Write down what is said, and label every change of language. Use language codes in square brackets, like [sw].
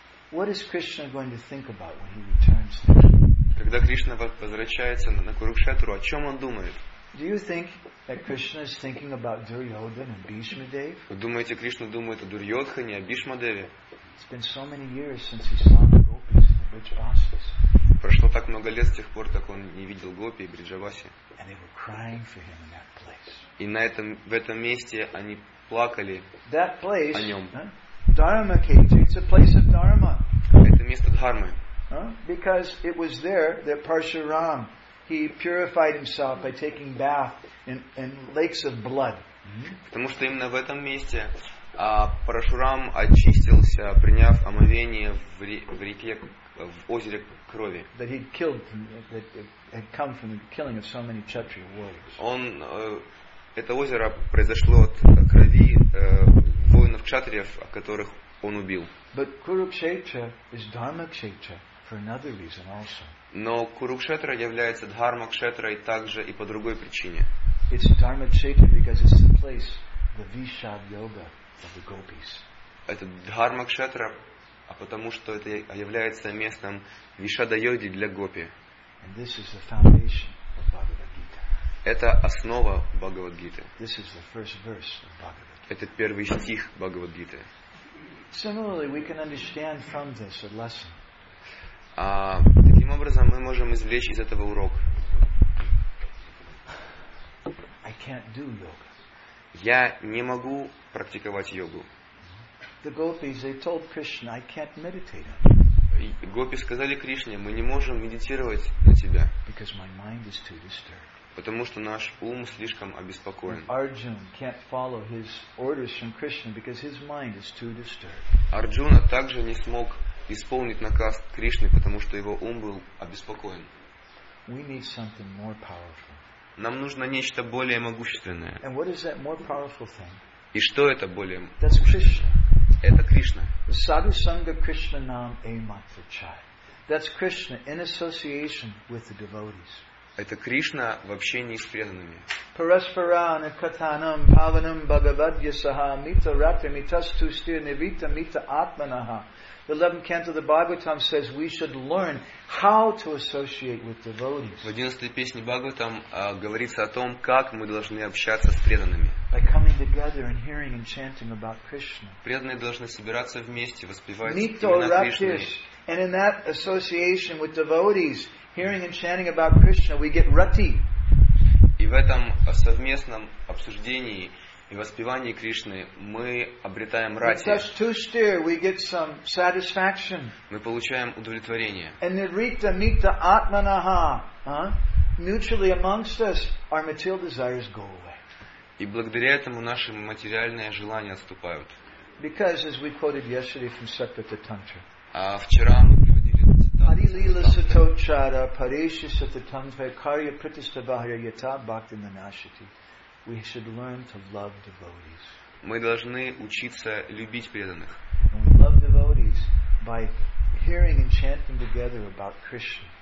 [en] What is Krishna going to think about when he returns? [ru] Когда Кришна возвращается на Курукшетру, о чем он думает? [en] Do you think that Krishna is thinking about Duryodhana and Bhishma Dev? [ru] Вы думаете, Кришна думает о Дурьодхане, о Бхишма Деве? [en] It's been so many years since he saw the gopis and the Vrijavasis. [ru] Прошло так много лет с тех пор, как он не видел гопи и Бриджаваси. [en] And they were crying for him in that place. [ru] И в этом месте они плакали [en] that place, [ru] о нем. [en] Huh? Dharma Ketu, it's a place of Dharma. [ru] Это место Дхармы. Huh? [en] Because it was there that Parshuram, he purified himself by taking bath in lakes of blood. [ru] Потому что именно в этом месте Парашурам очистился, приняв омовение в реке, в озере крови. [en] That he killed, that had come from the killing of so many Kshatriya warriors. [ru] Он это озеро произошло от крови воинов кшатриев, которых он убил. [en] But Kurukshetra is Dharma Kshetra for another reason also. [ru] Но Курукшетра является Дхармакшетрой также и по другой причине. [en] It's Dharmakshetra because it's the place, the Vishad Yoga of the gopis. [ru] Это Дхармакшетра, а потому что это является местом Вишада Йоги для гопи. [en] And this is the foundation of Bhagavad Gita. [ru] Это основа Бхагавад Гиты. [en] This is the first verse of Bhagavad Gita. [ru] Это первый стих Бхагавад Гиты. [en] Similarly, we can understand from this a lesson. [ru] Таким образом, мы можем извлечь из этого урок. [en] I can't do yoga. [ru] Я не могу практиковать йогу. [en] The gopis, they told Krishna, I can't meditate on you. [ru] Гопи сказали Кришне, мы не можем медитировать на тебя. [en] Because my mind is too disturbed. [ru] Потому что наш ум слишком обеспокоен. [en] Arjuna can't follow his orders from Krishna because his mind is too disturbed. [ru] Арджуна также не смог исполнить наказ Кришны, потому что его ум был обеспокоен. [en] We need something more powerful. [ru] Нам нужно нечто более могущественное. [en] And what is that more powerful thing? [ru] И что это более? [en] That's Krishna. [ru] Это Кришна. [sa] Sadhu Sangha Krishna Nam Ematrachai. [en] That's Krishna in association with the devotees. [ru] Это Кришна в общении с преданными. [sa] Параспарана катанам паванам бхагавадья саха мита ратри митасту стир невита мита атманаха. [en] The 11th canto of the Bhagavatam says we should learn how to associate with devotees. [ru] В 11-й песне Бхагаватам говорится о том, как мы должны общаться с преданными. [en] By coming together and hearing and chanting about Krishna. [ru] Преданные должны собираться вместе, воспевать имена Кришны. [en] And in that association with devotees, hearing and chanting about Krishna, we get rati. [ru] И в этом совместном обсуждении и воспевании Кришны мы обретаем рати. [en] With tushtir, we get some satisfaction. [ru] Мы получаем удовлетворение. [en] And [sa] nirita mita atmanaha, [en] mutually amongst us, our material desires go away. [ru] И благодаря этому наши материальные желания отступают. [en] Because as we quoted yesterday from Saptata Tantra. [ru] А вчера [sa] Lila Satochara Parishisatatamtva Karya Pritistavahya Yata Bhakti Nanashati. [en] We should learn to love devotees. [ru] Мы должны учиться любить преданных. [en] And we love devotees by hearing and chanting together about Krishna.